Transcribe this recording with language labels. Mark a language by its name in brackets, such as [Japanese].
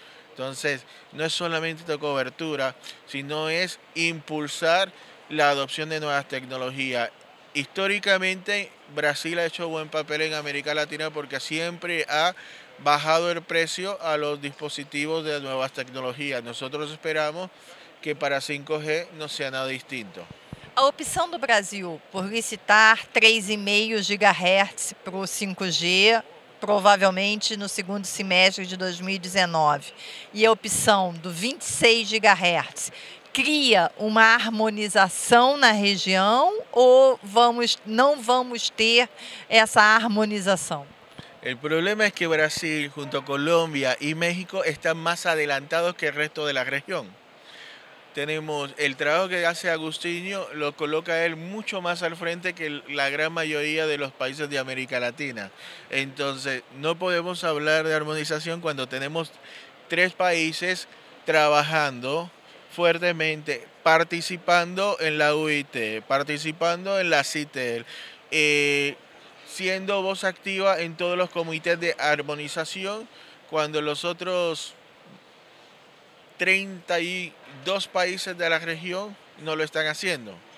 [Spanish] Entonces, no es solamente de cobertura, sino es impulsar la adopción de nuevas tecnologías. Históricamente, Brasil ha hecho buen papel en América Latina porque siempre ha bajado el precio a los dispositivos de nuevas tecnologías. Nosotros esperamos que para 5G no sea nada distinto. [Portuguese] a opção do Brasil por licitar 3,5 GHz para o 5G, provavelmente no segundo semestre de 2019, e a opção do 26 GHz, cria uma harmonização na região ou não vamos ter essa harmonização? O problema é que Brasil, junto a Colômbia e México, estão mais adelantados que o resto da região. [Spanish] Tenemos el trabajo que hace Agustinho, lo coloca él mucho más al frente que la gran mayoría de los países de América Latina. Entonces, no podemos hablar de armonización cuando tenemos tres países trabajando fuertemente, participando en la UIT, participando en la CITEL, siendo voz activa en todos los comités de armonización, cuando los otros 32 países de la región no lo están haciendo.